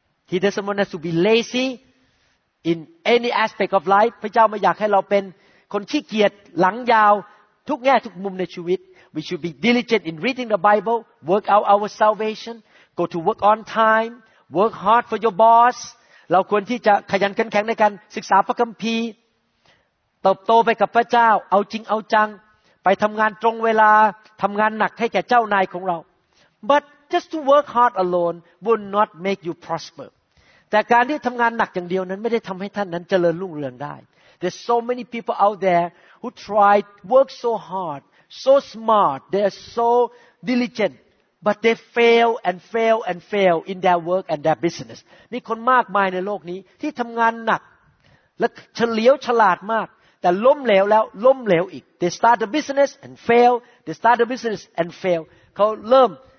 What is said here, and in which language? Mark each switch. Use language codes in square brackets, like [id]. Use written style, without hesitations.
[en] He doesn't want us to be lazy in any aspect of life. [th] พระเจ้าไม่อยากให้เราเป็นคนขี้เกียจหลังยาวทุกแง่ทุกมุมในชีวิต [en] We should be diligent in reading the Bible, work out our salvation, go to work on time, work hard for your boss. [th] เราควรที่จะขยันขันแข็งในการศึกษาพระคัมภีร์เติบโตไปกับพระเจ้าเอาจริงเอาจังไปทำงานตรงเวลาทำงานหนักให้แก่เจ้านายของเรา [en] But just to work hard alone will not make you prosper [th] แต่การที่ทำงานหนักอย่างเดียวนั้นไม่ได้ทำให้ท่านนั้นเจริญรุ่งเรืองได้ [en] There's so many people out there who try work so hard so smart they're so diligent but they fail and fail and fail in their work and their business [th] มีคนมากมายในโลกนี้ที่ทำงานหนักและเฉลียวฉลาดมากแต่ล้มเหลวแล้วล้มเหลวอีก [en] They start a business and fail they start a business and fail [th] เขาเริ่ม